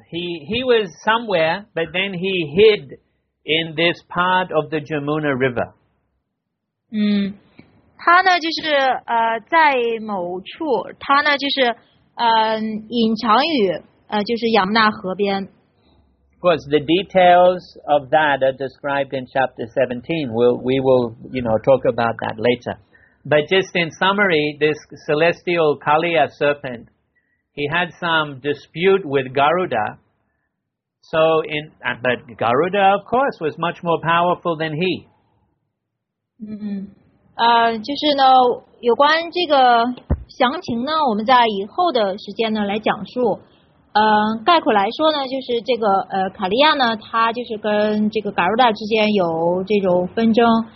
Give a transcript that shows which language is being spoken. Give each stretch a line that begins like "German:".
English: He was somewhere, but then he hid in this part of the Jamuna River.
Chinese: 他呢就是在某处，他呢就是隐藏于就是亚姆纳河边。
English: Of course, the details of that are described in chapter 17. We will talk about that later. But just in summary, this celestial Kaliya serpent. He had some dispute with Garuda, but Garuda, of course, was much more powerful than he.
Chinese: 就是呢，有关这个详情呢，我们在以后的时间呢来讲述。概括来说呢，就是这个卡利亚呢，他就是跟这个 Garuda 之间有这种纷争。